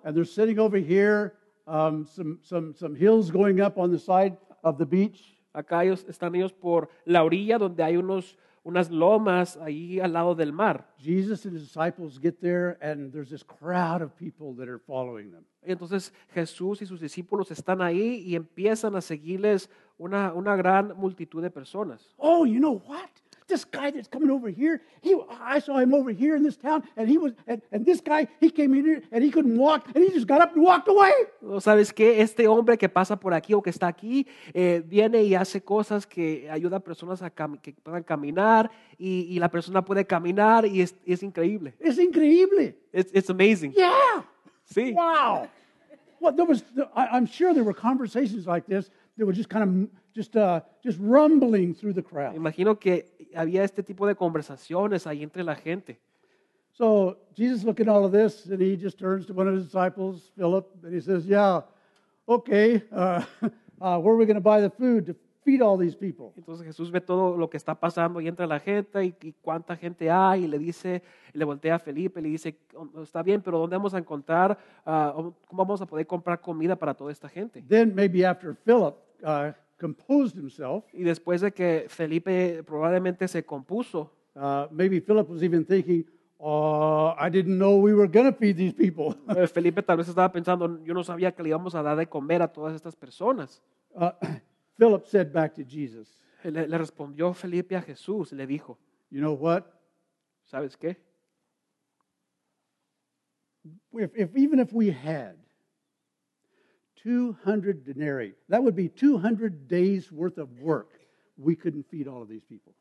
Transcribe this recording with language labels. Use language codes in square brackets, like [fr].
[en] And they're sitting over here, some hills going up on the side of the beach. [es] Acá están ellos por la orilla donde hay unas lomas ahí al lado del mar. [en] Jesus and his disciples get there and there's this crowd of people that are following them. [es] Entonces Jesús y sus discípulos están ahí y empiezan a seguirles una gran multitud de personas. [en] Oh, you know what? this guy that's coming over here, I saw him over here in this town, and he was, and this guy, he came in here, and he couldn't walk, and he just got up and walked away. [es] ¿No sabes qué? Este hombre que pasa por aquí o que está aquí, viene y hace cosas que ayuda a personas a que puedan caminar, y la persona puede caminar, y es increíble. Es increíble. [en] It's amazing. Yeah. [es] Sí. [en] Wow. Well, I'm sure there were conversations like this that were just kind of just rumbling through the crowd. [es] Imagino que había este tipo de conversaciones ahí entre la gente. [en] So Jesus looked at all of this and he just turns to one of his disciples, Philip, and he says, "Yeah, okay, where are we going to buy the food to feed all these people?" [es] Entonces Jesús ve todo lo que está pasando ahí entre la gente y cuánta gente hay y le dice, le voltea a Felipe y le dice, está bien, pero ¿dónde vamos a encontrar, cómo vamos a poder comprar comida para toda esta gente? [en] Then maybe after Philip composed himself. [es] Y después de que Felipe probablemente se compuso. [en] Maybe Philip was even thinking, I didn't know we were going to feed these people. [es] Felipe tal vez estaba pensando, yo no sabía que le íbamos a dar de comer a todas estas personas. [en] Philip said back to Jesus. [es] Le respondió Felipe a Jesús y le dijo, [en] "You know what? [es] ¿Sabes qué? [en] If we had 200 denarii, that would be 200 days worth of work. We couldn't feed all of these people."